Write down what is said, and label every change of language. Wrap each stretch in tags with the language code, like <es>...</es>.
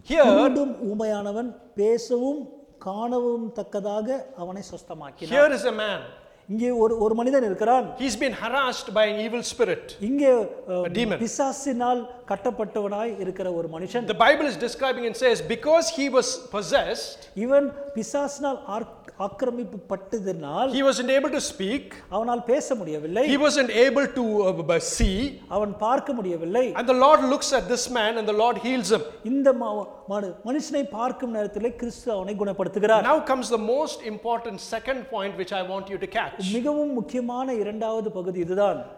<ta>குருடும் ஊமையானவன் பேசவும் காணவும் தக்கதாக அவனை சுஸ்தமாக்கினார்.</ta> <en>Here is a man.</en> <ta>இங்கே ஒரு மனிதன் இருக்கிறான்.</ta> <en>He's been harassed by an evil spirit.</en> <ta>இங்கே பிசாசினால் கட்டப்பட்டவனாய் இருக்கிற ஒரு மனுஷன்.</ta> <en>The Bible is describing and says because he was possessed,</en> <ta>இவன் பிசாசினால் ஆக்கிரமிக்கப்பட்டதனால்,</ta> <en>he wasn't able to speak,</en> <ta>அவனால் பேச முடியவில்லை,</ta> <en>he wasn't able to see,</en> <ta>அவன் பார்க்க முடியவில்லை,</ta> <en>and the Lord looks at this man and the Lord heals him.</en> <ta>இந்த மனுஷனை பார்க்கும் நேரத்தில் கிறிஸ்து அவனை குணப்படுத்துகிறார்.</ta> <en>Now comes the most important second point which I want you to catch.</en> <ta>மிகவும் முக்கியமான இரண்டாவது பகுதி இதுதான்.</ta>